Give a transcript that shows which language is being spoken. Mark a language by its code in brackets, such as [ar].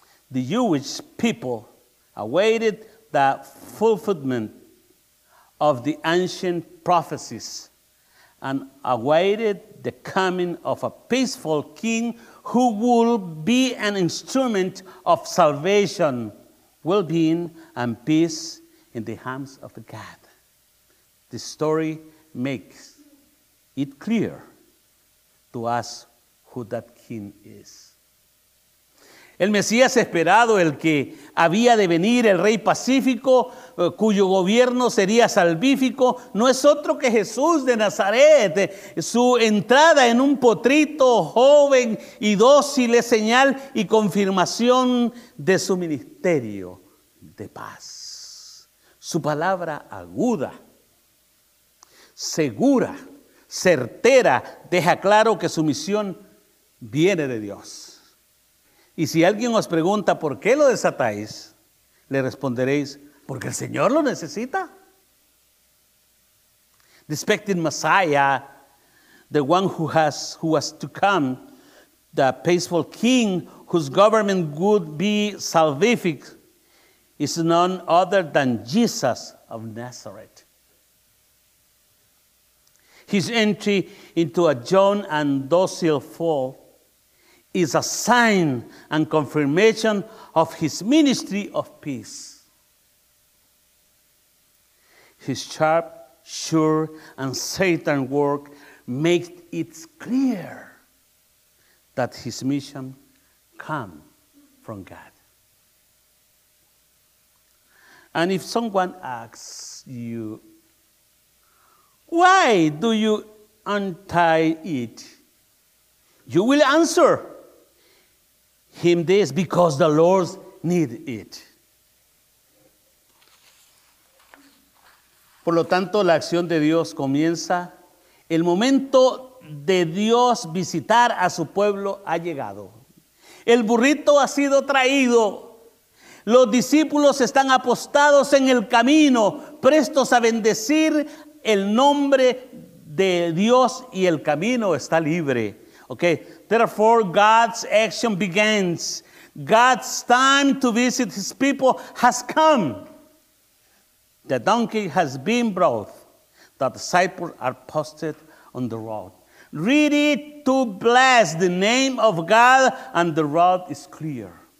[en] The Jewish people awaited the fulfillment of the ancient prophecies and awaited the coming of a peaceful king who would be an instrument of salvation, well-being, and peace in the hands of the God. The story makes it clear to us who that king is. [es] El Mesías esperado, el que había de venir, el rey pacífico, cuyo gobierno sería salvífico, no es otro que Jesús de Nazaret. Su entrada en un potrito joven y dócil es señal y confirmación de su ministerio de paz. Su palabra aguda, segura, certera, deja claro que su misión viene de Dios. Y si alguien os pregunta por qué lo desatáis, le responderéis, porque el Señor lo necesita. [en] The expected Messiah, the one who was to come, the peaceful king whose government would be salvific, is none other than Jesus of Nazareth. His entry into a young and docile foal is a sign and confirmation of his ministry of peace. His sharp, sure, and certain work makes it clear that his mission comes from God. And if someone asks you, why do you untie it? You will answer him this, because the Lord needs it. [es] Por lo tanto, la acción de Dios comienza. El momento de Dios visitar a su pueblo ha llegado. El burrito ha sido traído. Los discípulos están apostados en el camino, prestos a bendecir. El nombre de Dios y el camino está libre. [en] Okay. Therefore, God's action begins. God's time to visit his people has come. The donkey has been brought. The disciples are posted on the road, ready to bless the name of God, and the road is clear.